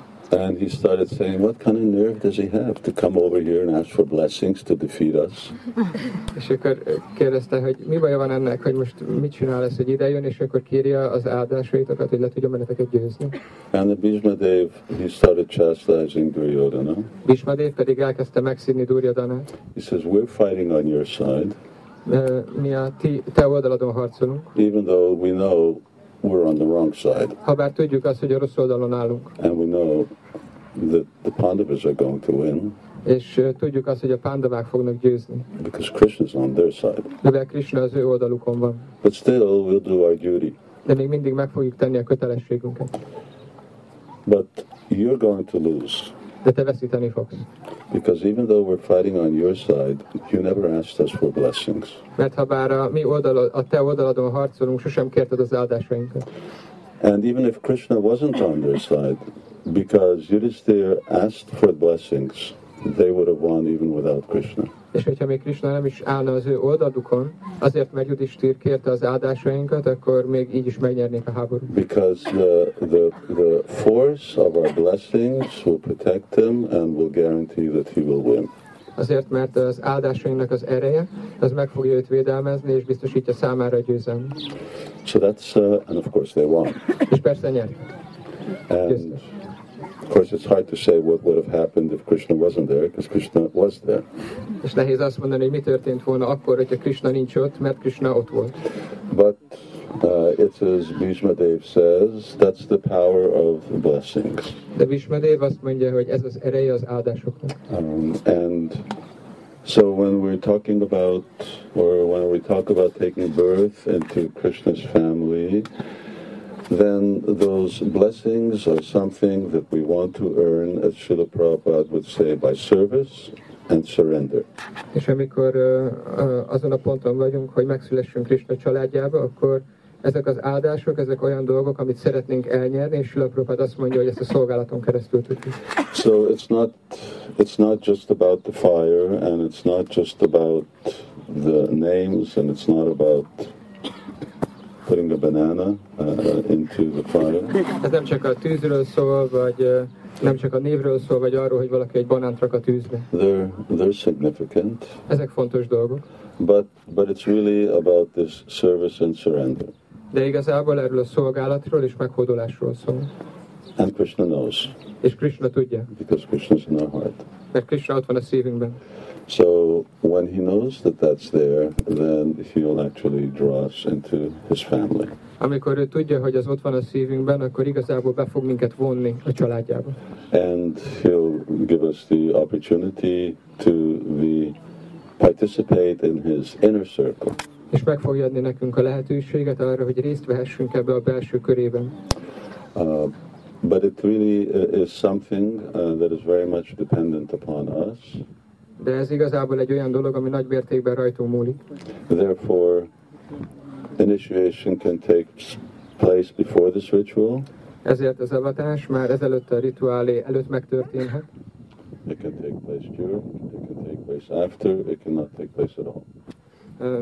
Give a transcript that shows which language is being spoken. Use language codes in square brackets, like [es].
[en] And he started saying, what kind of nerve does he have to come over here and ask for blessings to defeat us? [hu] És akkor kérdezte, hogy mi baja van ennek, hogy most mit csinál ez, hogy idejön, és akkor kérje az áldásaitokat, hogy le tudjon benneteket győzni. [en] And the Bhishma Dev, he started chastising Duryodhana. [hu] Bhishma Dev pedig elkezdte megszidni Duryodhanát. [en] He says, we're fighting on your side. [hu] Mi a te oldaladon harcolunk. [en] Even though we know we're on the wrong side. [hu] Habár tudjuk azt, hogy a rossz oldalon állunk. [en] And we know that the Pandavas are going to win. [hu] És tudjuk azt, hogy a Pandavák fognak győzni. [en] Because Krishna's on their side. [hu] Mivel Krishna az ő oldalukon van. [en] But still, we'll do our duty. [hu] De még mindig meg fogjuk tenni a kötelességünket. [en] But you're going to lose. [hu] De te veszíteni fogsz. [en] Because even though we're fighting on your side, you never asked us for blessings. [hu] Mert habár a te oldaladon harcolunk, sosem kérted az áldásainkat. [en] And even if Krishna wasn't on your side, because Yudhisthira asked for blessings, they would have won even without Krishna. [hu] És hogyha még Krishna nem is állna az ő oldalukon, azért mert Yudhisthir kérte az áldásainkat, akkor még így is megnyernék a háborút. [en] Because the force of our blessings will protect him and will guarantee that he will win. [hu] Azért mert az áldásainknak az ereje, az meg fogja őt védelmezni és biztosítja számára a győzelmet. [en] So that's and of course they won. [hu] És persze nyert. [en] Of course, it's hard to say what would have happened if Krishna wasn't there, because Krishna was there. [hu] És nehéz azt mondani, hogy mi történt volna akkor, hogyha Krishna nincs ott, mert Krishna ott volt. [en] But it's as Bhishma Dev says, that's the power of the blessings. [hu] De Bhishma Dev azt mondja, hogy ez az ereje az áldásoknak. [en] And so when we're talking about, or when we talk about taking birth into Krishna's family, then those blessings are something that we want to earn, as Srila Prabhupada would say, by service and surrender. [hu] És amikor azon a ponton vagyunk, hogy megszülessünk Krishna családjába, akkor ezek az áldások, ezek olyan dolgok, amit szeretnénk elnyerni, és Srila Prabhupada azt mondja, hogy ezt a szolgálaton keresztül tudjuk. [en] So it's not just about the fire, and it's not just about the names, and it's not about putting a banana into the fire. [hu] Ez nem csak a tűzről szól, vagy nem csak a névről szól, vagy arról, hogy valaki egy banánt rak a tűzbe. [en] They're significant. [hu] Ezek fontos dolgok. [en] But it's really about this service and surrender. [hu] De igazából erről a szolgálatról és meghódolásról szól. [en] And Krishna knows. [hu] És Krishna tudja. [en] Because Krishna's in our heart. [hu] Mert Krishna ott van a szívünkben. [en] So when he knows that that's there, then he'll actually draw us into his family. [hu] Amikor ő tudja, hogy az ott van a szívünkben, akkor igazából be fog minket vonni a családjába. [en] And he'll give us the opportunity to participate in his inner circle. [hu] És meg fogja adni nekünk a lehetőséget arra, hogy részt vehessünk ebbe a belső körében. [en] But it really is something that is very much dependent upon us. [hu] De ez igazából egy olyan dolog, ami nagy mértékben rajtunk múlik. [en] Therefore, initiation can take place before this ritual. [hu] Ezért az avatás már ezelőtt a rituálé előtt megtörténhet. [en] It can take place during, it can take place after, it cannot take place at all.